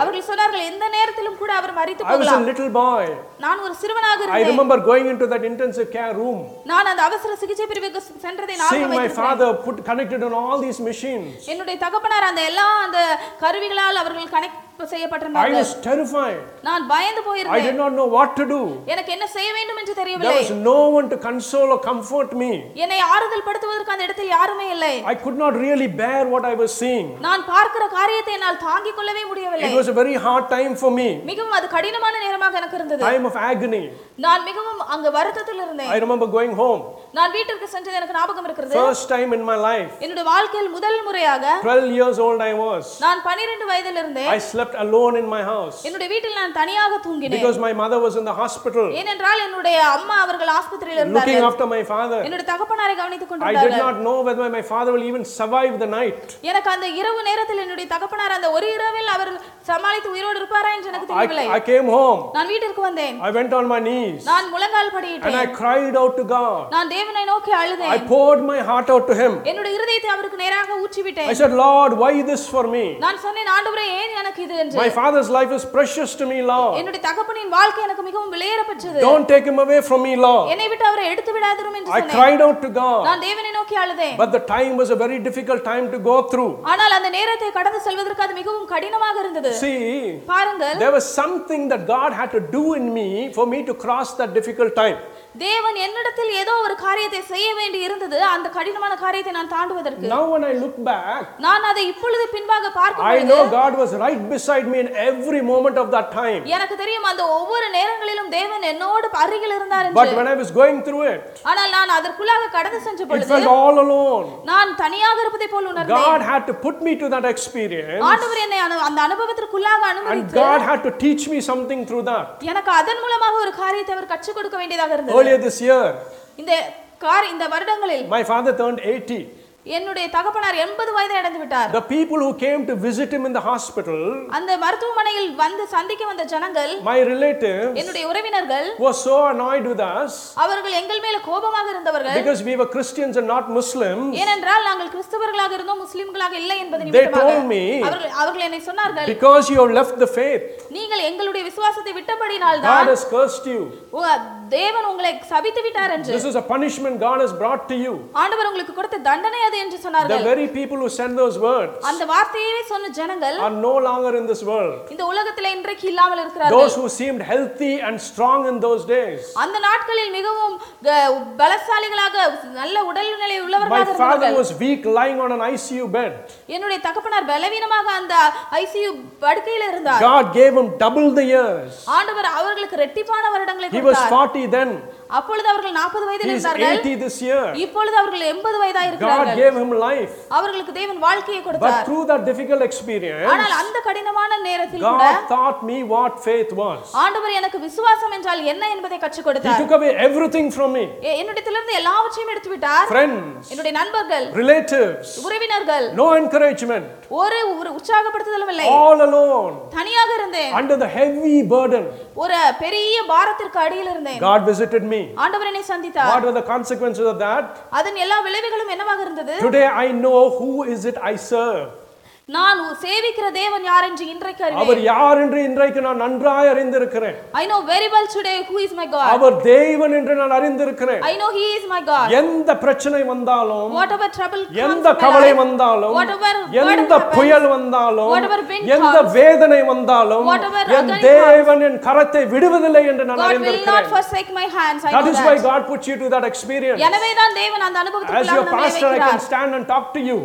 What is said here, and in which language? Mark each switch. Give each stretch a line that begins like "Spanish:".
Tamil: அவர்கள் சொன்னார்கள் எந்த நேரத்திலும் கூட அவர் மரித்து போகலாம்.
English: I was a little boy.
Tamil: நான் ஒரு சிறுவனாக இருந்தேன்.
English: I remember going into that intensive care room.
Tamil: நான் அந்த அவசர சிகிச்சை பிரிவுக்கு சென்றதை நான்
English: Seeing my father put connected on all these machines.
Tamil: என்னுடைய தகப்பனார் அந்த எல்லா அந்த கருவிகளால் அவர்கள் கனெக்ட்
English: I was terrified.
Tamil: நான் பயந்து போயிருந்தேன்.
English: I did not know what to do.
Tamil: எனக்கு என்ன செய்ய வேண்டும் என்று தெரியவில்லை.
English: There was no one to console or comfort me.
Tamil: என்னை ஆறுதல் படுத்துவதற்கு அந்த இடத்தில் யாருமே இல்லை.
English: I could not really bear what I was seeing.
Tamil: நான் பார்க்கிற காரியத்தை என்னால் தாங்கிக் கொள்ளவே முடியவில்லை.
English: It was a very hard time for me.
Tamil: மிகவும் அது கடினமான நேரமாக எனக்கு இருந்தது.
English: Time of agony.
Tamil: நான் மிகவும் அங்கு வருத்தத்தில் இருந்தேன்.
English: I remember going home.
Tamil: நான் வீட்டிற்கு சென்றது எனக்கு ஞாபகம் இருக்கிறது.
English: First time in my life.
Tamil: என்னுடைய வாழ்க்கையில் முதல் முறையாக
English: 12 years old I was.
Tamil: நான் 12 வயதில் இருந்தேன்.
English: Slept alone in my house.
Tamil: என்னுடைய வீட்டில் நான் தனியாக தூங்கினேன்.
English: Because my mother was in the hospital.
Tamil: ஏனென்றால் என்னுடைய அம்மா அவர்கள் ஆஸ்பத்திரியில் இருந்தார்கள்.
English: Looking after my father.
Tamil: என்னுடைய தகப்பனாரை கவனித்துக் கொண்டிருந்தார்கள்.
English: I did not know whether my father will even survive the night.
Tamil: எனக்கு அந்த இரவு நேரத்தில் என்னுடைய தகப்பனார் அந்த ஒரு இரவில் அவர் சமாளித்து உயிரோடு இருப்பாரா என்று எனக்கு தெரியவில்லை.
English: I came home.
Tamil: நான் வீட்டிற்கு வந்தேன்.
English: I went on my knees.
Tamil: நான் முழங்கால் படியிட்டேன்.
English: And I cried out to God.
Tamil: நான் தேவனை நோக்கி அழுதேன்.
English: I poured my heart out to him.
Tamil: என்னுடைய இருதயத்தை அவருக்கு நேராக ஊற்றிவிட்டேன்.
English: I said, Lord, why this for me?
Tamil: நான் சொன்னேன் ஆண்டவரே ஏன்
English: My father's life is precious to me, Lord.
Tamil: என்னுடைய தகப்பனின் வாழ்க்கை எனக்கு மிகவும் விலையேறப்பட்டது.
English: Don't take him away from me, Lord.
Tamil: என்னை விட்டு அவரை எடுத்து விடாதரும் என்று சொன்னேன்.
English: I cried out to God.
Tamil: நான் தேவனை நோக்கி அழுதேன்.
English: But the time was a very difficult time to go through.
Tamil: ஆனால் அந்த நேரத்தை கடந்து செல்வதற்கு அது மிகவும் கடினமாக இருந்தது.
English: See,
Tamil: பாருங்கள்.
English: There was something that God had to do in me for me to cross that difficult time.
Tamil: தேவன் என்னிடத்தில் ஏதோ ஒரு காரியத்தை செய்ய வேண்டி இருந்தது அந்த கடினமான காரியத்தை நான் தாண்டுவதற்கு.
English: Now when I look back,
Tamil: நான் அதை இப்பொழுது பின்பாக பார்க்கும்போது,
English: I know God was right beside me in every moment of that time.
Tamil: எனக்கு தெரியும் அந்த ஒவ்வொரு நேரங்களிலும் தேவன் என்னோடு அருகில் இருந்தார் என்று.
English: But when I was going through it,
Tamil: ஆனால் நான் அதற்குள்ளாக கடந்து சென்ற பொழுது,
English: It felt all alone.
Tamil: நான் தனியாக இருப்பதை போல் உணர்ந்தேன்.
English: God had to put me to that experience.
Tamil: ஆண்டவர் என்னை அந்த அனுபவத்திற்குள்ளாக அனுமதித்து,
English: And God had to teach me something through that.
Tamil: எனக்கு அதன் மூலமாக ஒரு காரியத்தை அவர் கற்றுக் கொடுக்க வேண்டியதாக இருந்தது.
English: Earlier this year,
Tamil: இந்த வருடங்களில்
English: my father turned 80.
Tamil: என்னுடைய தகப்பனார் 80 வயதை அடைந்து விட்டார்.
English: The people who came to visit him in the hospital,
Tamil: அந்த மருத்துவமனையில் வந்து சந்திக்க வந்த ஜனங்கள்,
English: my relatives,
Tamil: என்னுடைய உறவினர்கள்,
English: were so annoyed with us,
Tamil: அவர்கள் எங்கள் மேல் கோபமாக இருந்தவர்கள்,
English: because we were Christians and not Muslims,
Tamil: ஏனென்றால் நாங்கள் கிறிஸ்தவர்களாக இருந்தோம் முஸ்லிம்களாக இல்லை என்பதை நிமித்தமாக,
English: they told me,
Tamil: அவர்கள் என்னை சொன்னார்கள்,
English: because you have left the faith,
Tamil: நீங்கள் எங்களுடைய விசுவாசத்தை விட்டபடியினால்தான்,
English: God has cursed you,
Tamil: தேவன் உங்களை சபித்து விட்டார் என்று,
English: this is a punishment God has brought to you,
Tamil: ஆண்டவர் உங்களுக்கு கொடுத்த தண்டனை.
English: The very people who send those words
Tamil: அந்த வார்த்தையை சொன்ன ஜனங்கள்
English: are no longer in this world.
Tamil: இந்த உலகத்தில் இன்றைக்கு இல்லாமல் இருக்கிறார்கள்.
English: Those who seemed healthy and strong in those days.
Tamil: அந்த நாட்களில் மிகவும் பலசாலிகளாக நல்ல உடல்நிலை உள்ளவர்களாக இருந்தார்கள்.
English: My father was weak lying on an ICU bed.
Tamil: என்னுடைய தகப்பனார் பலவீனமாக அந்த ICU படுக்கையில் இருந்தார்.
English: God gave him double the years.
Tamil: ஆண்டவர் அவர்களுக்கு இரட்டிப்பான வருடங்களை கொடுத்தார்.
English: He was 40 then.
Tamil: அப்பொழுது அவர்கள் 40 வயதில் இருந்தார்கள்.
English: 80 this year.
Tamil: இப்பொழுது அவர்கள் 80 வயதாக இருக்கிறார்கள்.
English: Gave him life.
Tamil: அவர்களுக்கு தேவன் வாழ்க்கையை கொடுத்தார்.
English: But through that difficult experience,
Tamil: ஆனால் அந்த கடினமான நேரத்தில் கூட,
English: God taught me what faith was.
Tamil: ஆண்டவர் எனக்கு விசுவாசம் என்றால் என்ன என்பதை கற்றுக் கொடுத்தார்.
English: He took away everything from me.
Tamil: என்னிடத்திலிருந்து எல்லாவற்றையும் எடுத்து விட்டார்.
English: Friends,
Tamil: என்னுடைய நண்பர்கள்,
English: relatives,
Tamil: உறவினர்கள்,
English: no encouragement.
Tamil: ஒரு உற்சாகப்படுத்துதலும் இல்லை.
English: All alone.
Tamil: தனியாக இருந்தேன்.
English: Under the heavy burden.
Tamil: ஒரு பெரிய பாரத்திற்கு அடியில் இருந்தேன்.
English: God visited me.
Tamil: ஆண்டவர் என்னை சந்தித்தார்.
English: What were the consequences of that?
Tamil: அதன் எல்லா விளைவுகளும் என்னவாக இருந்தது?
English: Today I know who is it I serve.
Tamil: நான் சேவிக்கிற தேவன் யார் என்று இன்றைக்கு அறிவேன். அவர் யார் என்று இன்றைக்கு நான் நன்றாய் அறிந்திருக்கிறேன்.
English: I know very well today who is my God.
Tamil: அவர் தேவன் என்று நான் அறிந்திருக்கிறேன்.
English: I know he is my God.
Tamil: எந்த பிரச்சனை வந்தாலும்,
English: whatever trouble comes,
Tamil: எந்த கவலை வந்தாலும்,
English: whatever
Tamil: எந்த புயல் வந்தாலும்,
English: whatever wind comes,
Tamil: எந்த வேதனை வந்தாலும்,
English: whatever agony comes,
Tamil: தேவன் என் கரத்தை விடுவதில்லை என்று நான் அறிந்திருக்கிறேன்.
English: God will not forsake my hands. I that know is that. Why God puts you to that experience.
Tamil: எனவே தான் தேவன் அந்த அனுபவத்துக்கு
English: As your pastor I can stand and talk to you.